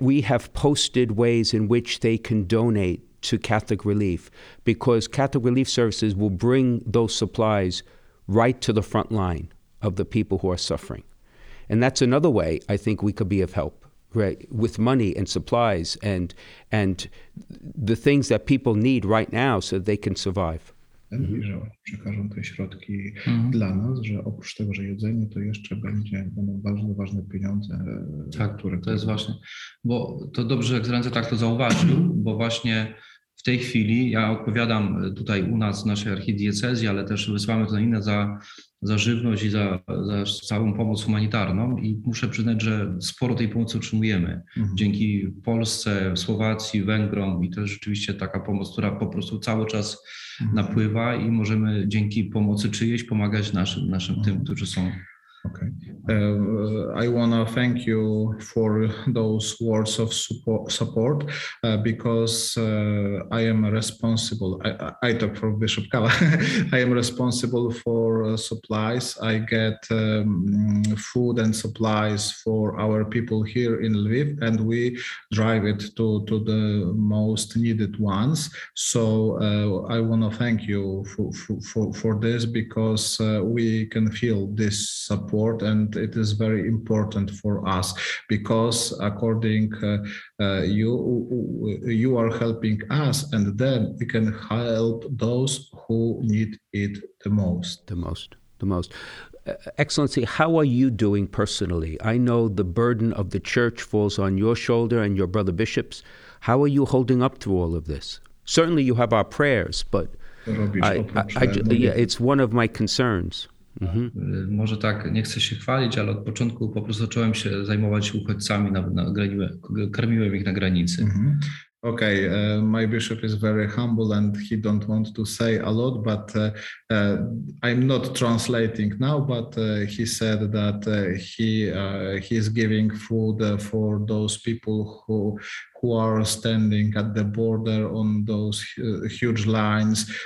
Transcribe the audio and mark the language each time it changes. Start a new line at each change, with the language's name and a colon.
English: We have posted ways in which they can donate to Catholic Relief, because Catholic Relief Services will bring those supplies right to the front line of the people who are suffering. And that's another way I think we could be of help, right? With money and supplies and the things that people need right now so they can survive.
Polish: I że przekażą te środki dla nas, że oprócz tego, że jedzenie, to jeszcze będzie bardzo ważne pieniądze. Tak, które to jest właśnie, bo to dobrze, jak Excelencja tak to zauważył, bo właśnie w tej chwili ja odpowiadam tutaj u nas, w naszej archidiecezji, ale też wysyłamy to inne za żywność i za całą pomoc humanitarną i muszę przyznać, że sporo tej pomocy otrzymujemy. Mhm. Dzięki Polsce, Słowacji, Węgrom i to jest rzeczywiście taka pomoc, która po prostu cały czas napływa i możemy dzięki pomocy czyjejś pomagać naszym tym, którzy są.
English: Okay. I want to thank you for those words of support because I am responsible. I talk for Bishop Kala. I am responsible for supplies. I get food and supplies for our people here in Lviv, and we drive it to the most needed ones. So I want to thank you for this, because we can feel this support. And it is very important for us, because according you are helping us, and then we can help those who need it the most. The most. Excellency, how are you doing personally? I know the burden of the church falls on your shoulder and your brother bishops. How are you holding up through all of this? Certainly you have our prayers, but it's one of my concerns. Mm-hmm.
Polish: Może tak, nie chcę się chwalić, ale od początku po prostu zacząłem się zajmować uchodźcami, karmiłem ich na granicy. Mm-hmm.
English: Okay, my bishop is very humble and he don't want to say a lot, but I'm not translating now, but he said that he is giving food for those people who are standing at the border on those huge lines.